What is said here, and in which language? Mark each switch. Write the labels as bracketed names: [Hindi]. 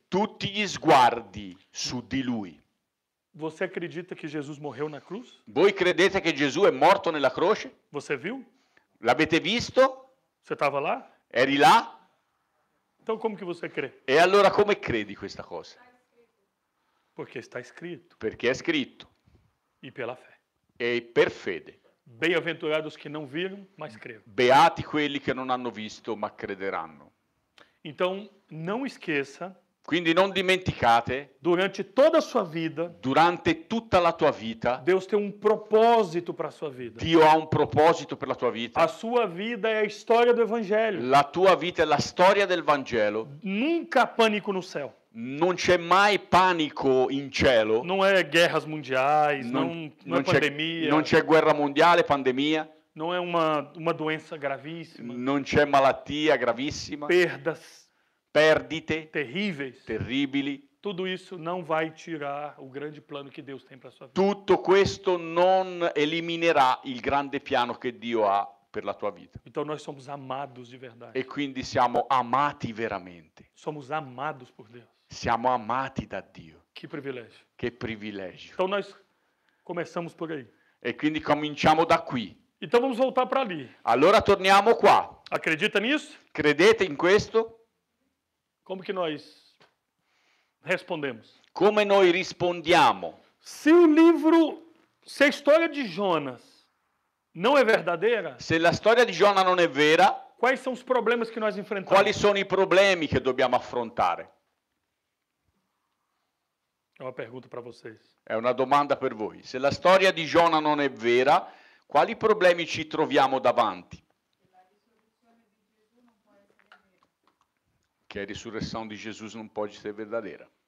[Italian] Tutti gli sguardi su di lui. [Portuguese] Você acredita que Jesus morreu na cruz? [Italian] Voi credete che Gesù è morto nella croce? [Portuguese] Você viu? [Italian] L'avete visto? [Portuguese] Você tava lá? [Italian] Eri là? [Portuguese] Então como que você crê? [Italian] E allora come credi questa cosa? [Portuguese] Porque está escrito. [Italian] Perché è scritto. [Portuguese] E pela fé. [Italian] E per fede. [Portuguese] Bem-aventurados que não viram, mas creram. [Italian] Beati quelli che non hanno visto, ma crederanno. [Portuguese] Então não esqueça. [Italian] Quindi non dimenticate, [Portuguese] durante toda a sua vida, [Italian] durante tutta la tua vita, [Portuguese] Deus tem um propósito para a sua vida. [Italian] Dio ha un proposito per la tua vita. [Portuguese] A sua vida é a história do evangelho. [Italian] La tua vita è la storia del Vangelo. [Portuguese] Nunca pânico no céu. [Italian] Non c'è mai panico in cielo. Non è [Portuguese] guerras mundiais, [Italian] non è pandemia. Non c'è guerra mondiale, pandemia. Non è una doença gravissima. Non c'è malattia gravissima. [Portuguese] Perdas. [Italian] Perdite [Portuguese] terríveis. [Italian] Terribili. [Portuguese] Tudo isso não vai tirar o grande plano que Deus tem para sua vida. [Italian] Tutto questo non eliminerà il grande piano che Dio ha per la tua vita. [Portuguese] Então nós somos amados de verdade. [Italian] E quindi siamo amati veramente. [Portuguese] Somos amados por Deus. [Italian] Siamo amati da Dio. [Portuguese] Que privilégio. [Italian] Che privilégio. [Portuguese] Então nós começamos por aí. [Italian] E quindi cominciamo da qui. [Portuguese] Então vamos voltar para ali. [Italian] Allora torniamo qua. [Portuguese] Acredita nisso? [Italian] Credete in questo? [Portuguese] Como que nós respondemos? [Italian] Come noi rispondiamo? [Portuguese] Se o livro, se a história de Jonas não é verdadeira? [Italian] Se la storia di Giona non è vera? [Portuguese] Quais são os problemas que nós enfrentamos? [Italian] Quali sono i problemi che dobbiamo affrontare? [Portuguese] É uma pergunta para vocês. [Italian] È una domanda per voi. Se la storia di Giona non è vera, quali problemi ci troviamo davanti? [Portuguese] Que a ressurreição de Jesus não pode ser verdadeira.